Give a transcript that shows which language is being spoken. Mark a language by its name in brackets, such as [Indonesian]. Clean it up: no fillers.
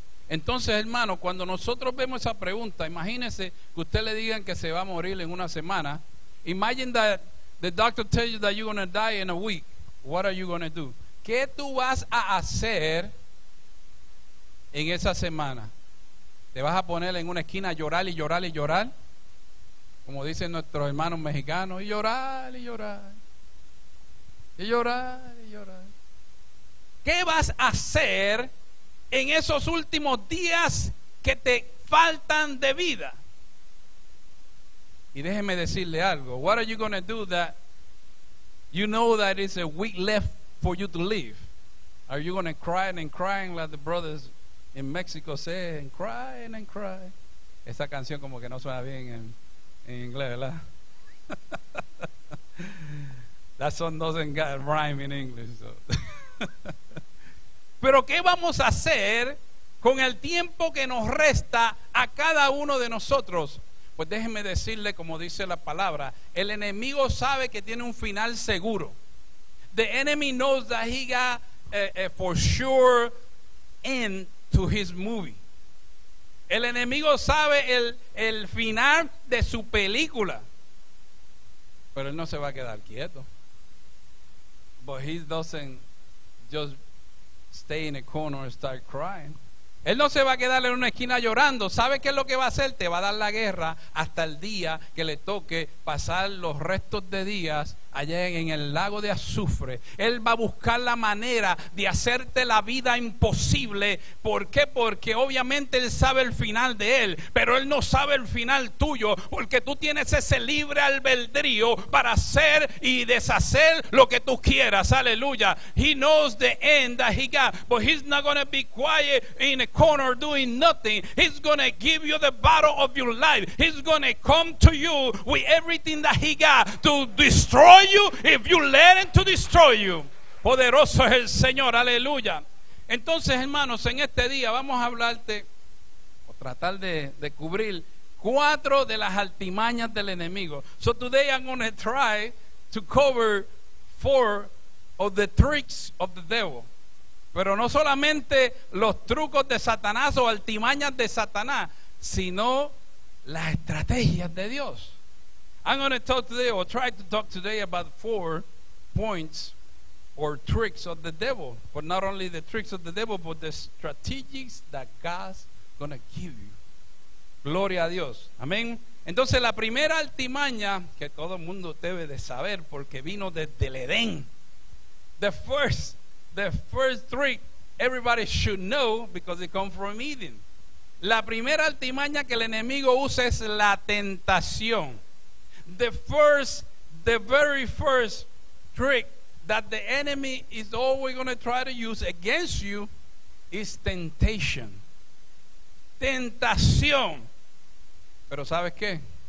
[Spanish] Entonces, hermano, cuando nosotros vemos esa pregunta, imagínese que usted le digan que se va a morir en una semana. [English] Imagine that the doctor tells you that you're gonna die in a week. What are you gonna do? [Spanish] ¿Qué tú vas a hacer en esa semana? ¿Te vas a poner en una esquina a llorar y llorar y llorar, como dicen nuestros hermanos mexicanos, y llorar y llorar, y llorar y llorar? ¿Qué vas a hacer en esos últimos días que te faltan de vida? Y déjeme decirle algo. [English] What are you going to do that you know that it's a week left for you to live? Are you going to cry and cry like the brothers in Mexico say, and cry and cry? [Spanish] Esa canción como que no suena bien en inglés, ¿verdad? [English] That song doesn't got rhyme in English. So. [Spanish] Pero ¿qué vamos a hacer con el tiempo que nos resta a cada uno de nosotros? Pues déjeme decirle, como dice la palabra, el enemigo sabe que tiene un final seguro. [English] The enemy knows that he got a for sure end to his movie. [Spanish] El enemigo sabe el final de su película. Pero él no se va a quedar quieto. [English] But he doesn't just stay in a corner and start crying. [Spanish] Él no se va a quedar en una esquina llorando. ¿Sabe qué es lo que va a hacer? Te va a dar la guerra hasta el día que le toque pasar los restos de días allá en el lago de azufre. Él va a buscar la manera de hacerte la vida imposible. ¿Por qué? Porque obviamente él sabe el final de él, pero él no sabe el final tuyo, porque tú tienes ese libre albedrío para hacer y deshacer lo que tú quieras. Aleluya. [English] He knows the end that he got, but he's not going to be quiet in a corner doing nothing. He's going to give you the battle of your life. He's going to come to you with everything that he got to destroy you if you let him to destroy you. [Spanish] Poderoso es el Señor, aleluya. Entonces, hermanos, en este día vamos a hablarte o tratar de cubrir cuatro de las artimañas del enemigo. [English] So today I'm going to try to cover four of the tricks of the devil. [Spanish] Pero no solamente los trucos de Satanás o artimañas de Satanás, sino las estrategias de Dios. [English] I'm going to talk today, or try to talk today, about four points or tricks of the devil. But not only the tricks of the devil, but the strategies that God's going to give you. [Spanish] Gloria a Dios. Amén. Entonces, la primera artimaña que todo mundo debe de saber, porque vino desde el Edén. [English] The first trick everybody should know because it comes from Eden. [Spanish] La primera artimaña que el enemigo usa es la tentación. [English] The very first trick that the enemy is always going to try to use against you is temptation. [Spanish] Tentación. Pero ¿sabes qué?